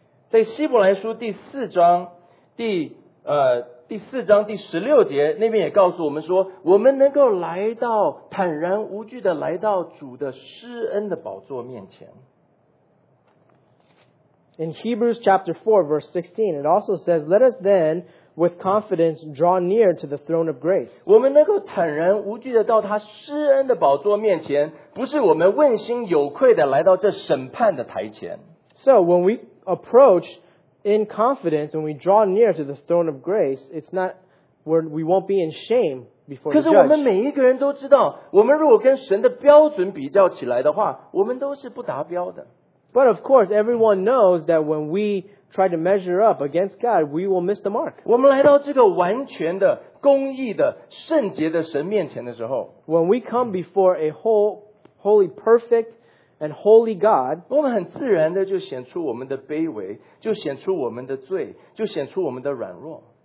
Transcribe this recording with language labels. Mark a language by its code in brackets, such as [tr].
[zh] 在希伯来书第四章第四章第十六节那边也告诉我们说，我们能够来到坦然无惧的来到主的施恩的宝座面前。 [en] In Hebrews chapter 4 verse 16, it also says, "Let us then with confidence draw near to the throne of grace." [zh] 我们能够坦然无惧的到他施恩的宝座面前，不是我们问心有愧的来到这审判的台前。 [en] So when we approach in confidence, when we draw near to the throne of grace, it's not where we won't be in shame before the judge. [zh] 可是我们每一个人都知道，我们如果跟神的标准比较起来的话，我们都是不达标的。 [en] But of course, everyone knows that when we try to measure up against God, we will miss the mark. [zh] 我们来到这个完全的、公义的、圣洁的神面前的时候， [en] when we come before a holy, perfect,and holy God, [zh] 我们很自然的就显出我们的卑微，就显出我们的罪，就显出我们的软弱。